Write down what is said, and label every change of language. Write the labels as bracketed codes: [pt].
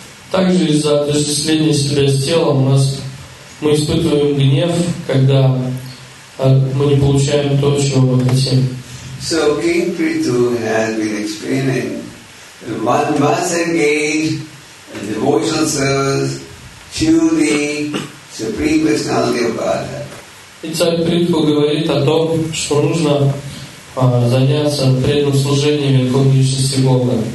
[ru] Также из-за отождествления себя с телом мы испытываем гнев, когда мы не получаем то, чего мы хотим. [en] So King Prithu has been explaining one must engage in devotional service to the Supreme Personality of Godhead. [ru] И царь Притху говорит о том, что нужно заняться преданным служением Верховной Личности Бога.